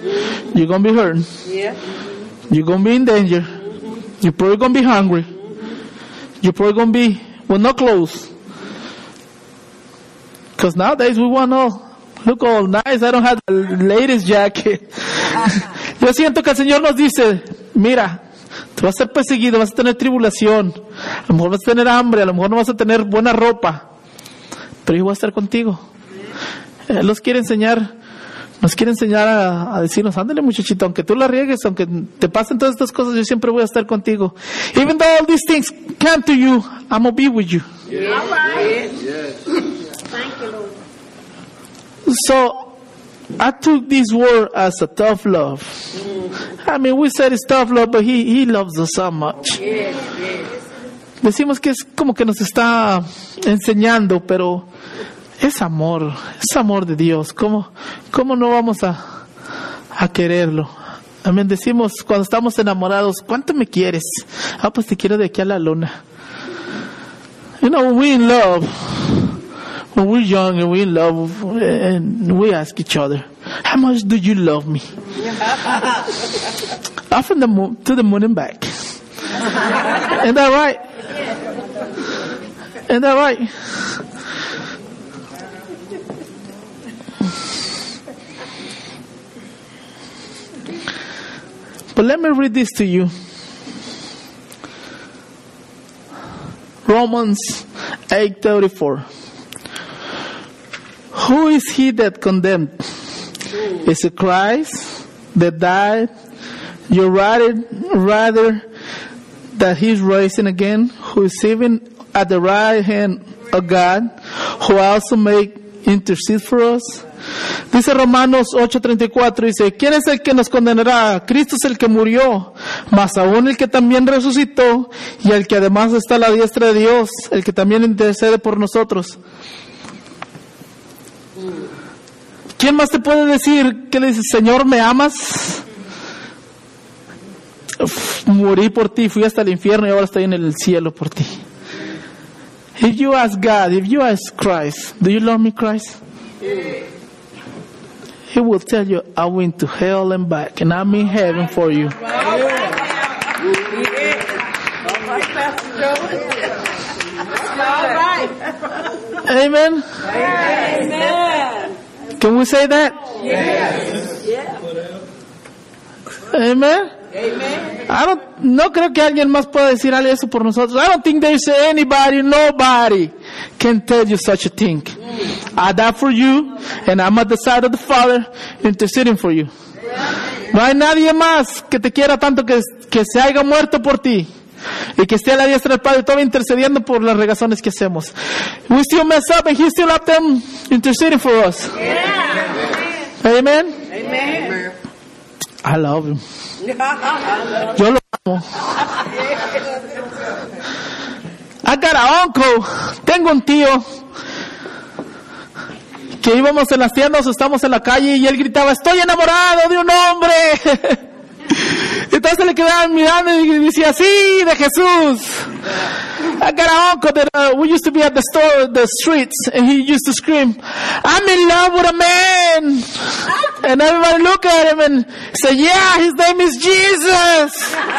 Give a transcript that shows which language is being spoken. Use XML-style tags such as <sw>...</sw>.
<en>You're going to be hurting. You're going to be in danger. You're probably going to be hungry. You're probably going to be with no clothes. Because nowadays we want all, look all nice, I don't have the latest jacket.</en> <es>Yo siento que el Señor nos dice, mira, tú vas a ser perseguido, vas a tener tribulación. A lo mejor vas a tener hambre, a lo mejor no vas a tener buena ropa. Pero yo voy a estar contigo. Él los quiere enseñar, nos quiere enseñar a decirnos, ándale muchachito, aunque tú la riegues, aunque te pasen todas estas cosas, yo siempre voy a estar contigo.</es> <en>Even though all these things come to you, I'm going to be with you. Yeah. All right. Yes. Thank you, Lord. So, I took this word as a tough love. I mean, we said it's tough love, but he loves us so much.</en> <es>Decimos que es como que nos está enseñando, pero es amor de Dios. ¿Cómo no vamos a quererlo? Amén. Decimos cuando estamos enamorados, ¿cuánto me quieres? Ah, pues te quiero de aquí a la luna.</es> <en>You know, we in love. When we're young and we're in love, and we ask each other, how much do you love me? Off in the moon, to the moon and back. Isn't that right? Isn't that right? But let me read this to you. Romans 8:34. Who is he that condemned? Is it Christ that died? You rather that he's rising again, who is even at the right hand of God, who also make intercede for us?</en> <es>Dice Romanos 8:34, dice, ¿quién es el que nos condenará? Cristo es el que murió, más aún el que también resucitó, y el que además está a la diestra de Dios, el que también intercede por nosotros. ¿Quién más te puede decir que le dices, Señor, me amas? Uf, morí por ti, fui hasta el infierno y ahora estoy en el cielo por ti.</es> <en>If you ask God, if you ask Christ, do you love me, Christ? He will tell you, I went to hell and back, and I'm in heaven for you. Amen. Amen. Can we say that? Yes. Yeah. Amen. Amen.</en> <es>No creo que alguien más pueda decir algo eso por nosotros.</es> <en>I don't think there's anybody, nobody can tell you such a thing. I died for you, and I'm at the side of the Father interceding for you.</en> <es>No hay nadie más que te quiera tanto que se haya muerto por ti. Y que esté a la diestra del Padre todavía intercediendo por las regazones que hacemos.</es> <en>We still mess up and he's still up them interceding for us. Yeah. Amen. Amen. I love him.</en> <es>Yo lo amo.</es> <en>I got an uncle.</en> <es>Tengo un tío que íbamos en las tiendas o estamos en la calle y él gritaba, estoy enamorado de un hombre. Entonces se le quedaban mirando y decía, sí, de Jesús.</es> <en>I got an uncle that we used to be at the store, the streets, and he used to scream, I'm in love with a man. And everybody look at him and say, yeah, his name is Jesus.</en>